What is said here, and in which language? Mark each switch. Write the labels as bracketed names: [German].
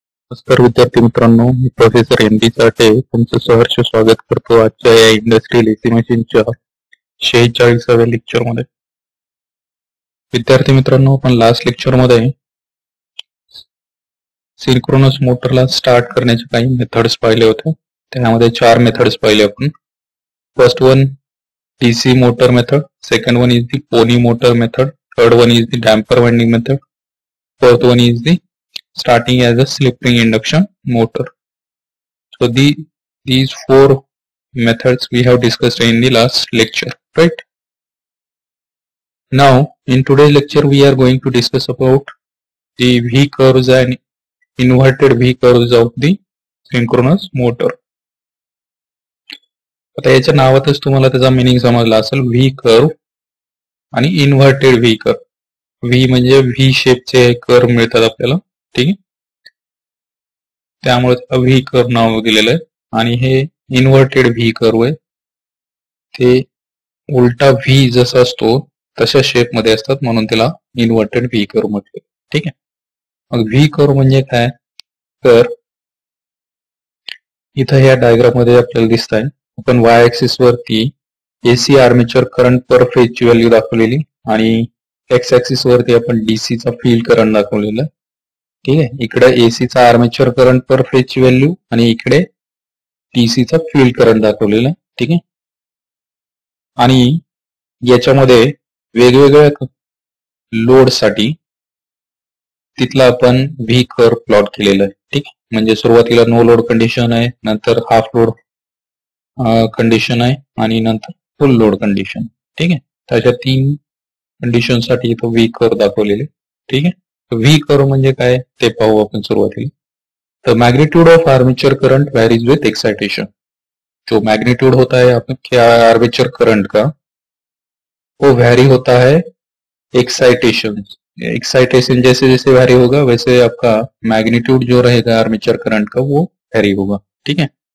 [Marathi] नमस्कार विद्यार्थी मित्रांनो, मी प्रोफेसर एम डी साठे तुमचं सहर्ष स्वागत करतो आजच्या या इंडस्ट्रियल एसी मशीनच्या 46व्या लेक्चरमध्ये। विद्यार्थी मित्रांनो, आपण लास्ट लेक्चरमध्ये सिंक्रोनस मोटरला स्टार्ट करण्याचे काही मेथड्स पाहिले होते, त्यामध्ये चार मेथड्स पाहिले आपण। [English] First one D C motor method, second one is the pony motor method, third one is the damper winding method, fourth one is the starting as a slip ring induction motor. So these four methods we have discussed in the last lecture, right? Now in today's lecture we are going to discuss about the V curves and inverted V curves of the synchronous motor. [Marathi] आता याच्या नावातच तुम्हाला त्याचा meaning समजला असेल, V curve आणि inverted V curve. V म्हणजे V shape चे curve मिळतात आपल्याला, ठीक आहे, त्यामुळे व्ही कर्व नाव दिलेलं आहे। आणि हे इन्व्हर्टेड व्ही कर्व आहे, ते उलटा व्ही जसा असतो तशा शेप मध्ये असतात म्हणून त्याला इन्व्हर्टेड व्ही कर्व म्हटले, ठीक आहे। मग व्ही कर्व म्हणजे काय? तर इथं ह्या डायग्राम मध्ये आपल्याला दिसत आहे, आपण वाय ऍक्सिस वरती एसी आर्मेचर करंट पर फेज ची व्हॅल्यू दाखवलेली आणि एक्स ऍक्सिस वरती आपण डीसी चा फील्ड करंट दाखवलेला आहे, ठीक आहे। इकडे एसी चा आर्मेचर करंट पर फेज ची व्हॅल्यू आणि इकडे डीसी चा फील्ड करंट दाखवलेला, ठीक आहे। आणि याच्यामध्ये वेगवेगळ्या लोड साठी तिथला आपण व्ही कर्व प्लॉट केलेला आहे, ठीक आहे। म्हणजे सुरुवातीला नो लोड कंडिशन आहे, नंतर हाफ लोड कंडिशन आहे आणि नंतर फुल लोड कंडिशन, ठीक आहे। अशा तीन कंडिशन साठी इथं व्ही कर्व दाखवलेले, ठीक आहे। व्ही कर्व म्हणजे काय ते पाहू आपण सुरुवातीला। [Hindi] तर [English] magnitude of armature current varies with excitation, [Hindi] जो मॅग्निट्यूड होता है आपण क्या आर्मेचर करंट का, वो व्हॅरी होता है एक्साइटेशन, एक्साइटेशन जैसे जैसे व्हॅरी होगा वैसे आपका मॅग्निट्यूड जो रहेगा आर्मेचर करंट का वो व्हॅरी होगा, ठीक है।